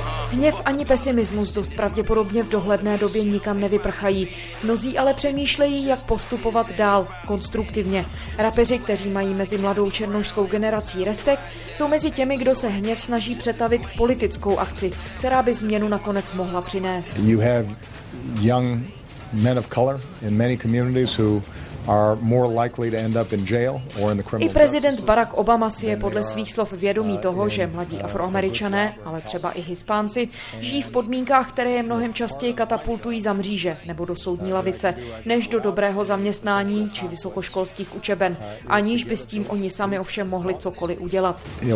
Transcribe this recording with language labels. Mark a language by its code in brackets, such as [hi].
[cs] Hněv ani pesimismus dost pravděpodobně v dohledné době nikam nevyprchají. Mnozí ale přemýšlejí, jak postupovat dál, konstruktivně. Rapeři, kteří mají mezi mladou černošskou generací respekt, jsou mezi těmi, kdo se hněv snaží přetavit v politickou akci, která by změnu nakonec mohla přinést. [en] You have young men of color in many communities who are more likely to end up in jail or in the criminal. [cs] I prezident Barack Obama si je podle svých slov vědomí toho, že mladí Afroameričané, ale třeba i Hispánci, žijí v podmínkách, které je mnohem častěji katapultují za mříže nebo do soudní lavice, než do dobrého zaměstnání či vysokoškolských učeben, aniž by s tím oni sami ovšem mohli cokoliv udělat.